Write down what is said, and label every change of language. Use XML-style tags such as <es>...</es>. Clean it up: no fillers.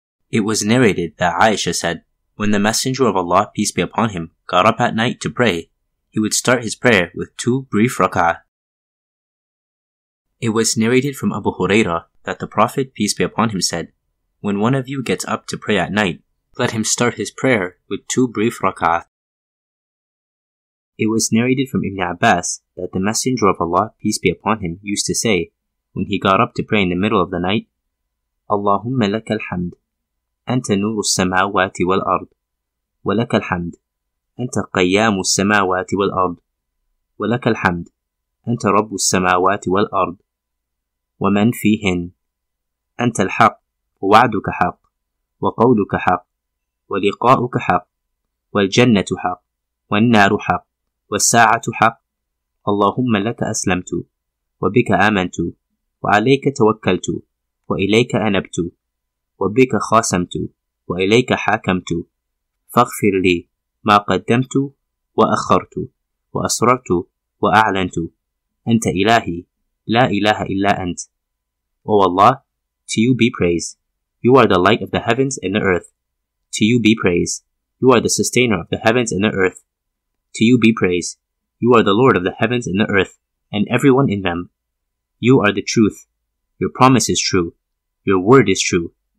<en>It was narrated that Aisha said, when the Messenger of Allah, peace be upon him, got up at night to pray, he would start his prayer with 2 brief rak'ah. It was narrated from Abu Hurairah that the Prophet, peace be upon him, said, when one of you gets up to pray at night, let him start his prayer with 2 brief rak'ah. It was narrated from Ibn Abbas that the Messenger of Allah, peace be upon him, used to say, when he got up to pray in the middle of the night,</en> <ar>Allahumma laka alhamd, anta nuru samawati wal ard, wa laka alhamd, أنت قيام السماوات والأرض</ar> <en>ولك الحمد أنت رب السماوات والأرض</en> <ar>ومن فيهن أنت الحق ووعدك حق وقولك حق ولقاؤك حق والجنة حق والنار حق والساعة حق اللهم لك أسلمت وبك آمنت وعليك توكلت وإليك أنبت وبك خاصمت وإليك حاكمت فاغفر لي ما قدمت وأخرت وأسررت وأعلنت أنت إلهي لا إله إلا أنت.</ar> <en>O Allah, to you be praise. You are the light of the heavens and the earth. To you be praise. You are the sustainer of the heavens and the earth. To you be praise. You are the Lord of the heavens and the earth, and everyone in them. You are the truth. Your promise is true. Your word is true.</en>